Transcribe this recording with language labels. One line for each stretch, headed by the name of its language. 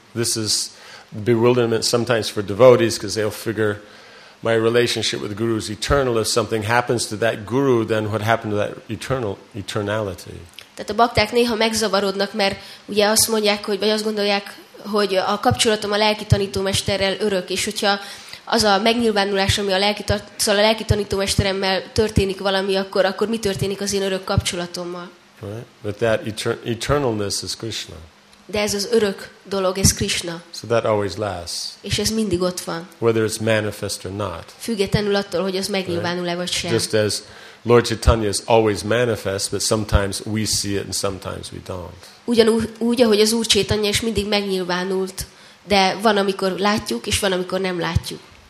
English: This is bewilderment sometimes for devotees because they'll figure my relationship with the guru is eternal. If something happens to that guru, then what happened to that eternality?
Hungarian: Tehát a bakták néha megzavarodnak, mert ugye azt mondják, hogy vagy azt gondolják, hogy a kapcsolatom a lelki tanítómesterrel örök, és hogyha az a megnyilvánulás, ami a lelki tanítómesteremmel történik valami, akkor mi történik az én örök kapcsolatommal?
English: Right? But that eternalness is Krishna.
Hungarian: De ez az örök dolog, ez Krishna.
English: So that always lasts.
Hungarian: És ez mindig ott van.
English: Whether it's manifest or not.
Hungarian: Függetlenül attól, hogy az megnyilvánul-e vagy sem.
English: Just as Lord Chaitanya is always manifest, but sometimes we see it and sometimes we don't.
Hungarian: Ugyanúgy, ahogy az Úr Chaitanya is mindig megnyilvánult, de van, amikor látjuk, és van, amikor nem látjuk.